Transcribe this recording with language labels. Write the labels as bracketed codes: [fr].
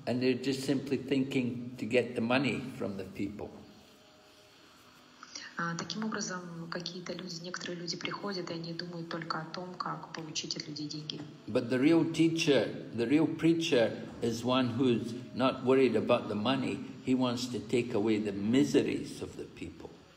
[en] And they're just simply thinking to get the money from the people. [ru] Таким образом, какие-то люди, некоторые люди приходят, и они думают только о том, как получить от людей деньги. [en] But the real teacher, the real preacher is one who's not worried about the money. He wants to take away the miseries of the people.